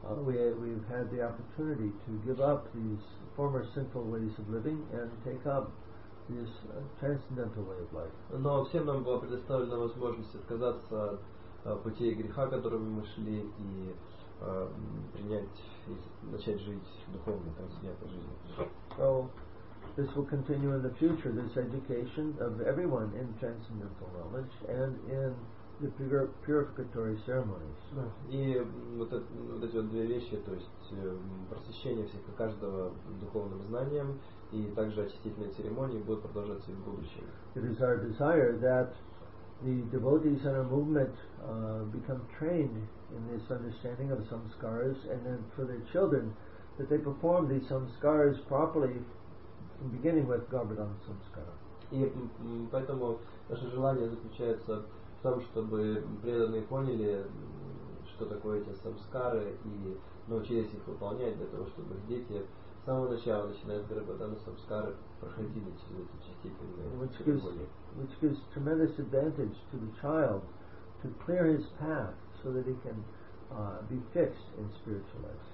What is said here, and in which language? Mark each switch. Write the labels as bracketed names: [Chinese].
[English] We've had the opportunity to give up these former sinful ways of living and take up this transcendental way of life. [Russian] Но всем нам была предоставлена возможность отказаться от путей греха, которыми мы шли, и принять и начать жить духовно, трансцендентной жизнью. [English] So this will continue in the future, this education of everyone in transcendental knowledge and in the purificatory ceremonies. [Russian] И вот эти вот две вещи, то есть просвещение всех и каждого духовным знанием и также очистительные церемонии будут продолжаться и в будущем. [English] It is our desire that the devotees in our movement become trained in this understanding of samskaras, and then for their children that they perform these samskaras properly, beginning with Garbhadhana samskara. [Russian] И поэтому наше желание заключается в том, чтобы преданные поняли, что такое эти самскары, и научились их выполнять для того, чтобы их дети с самого начала, начиная с Гарбхадана самскары, проходили через эти очистительные церемонии. [English] Which gives tremendous advantage to the child to clear his path so that he can be fixed in spiritual life.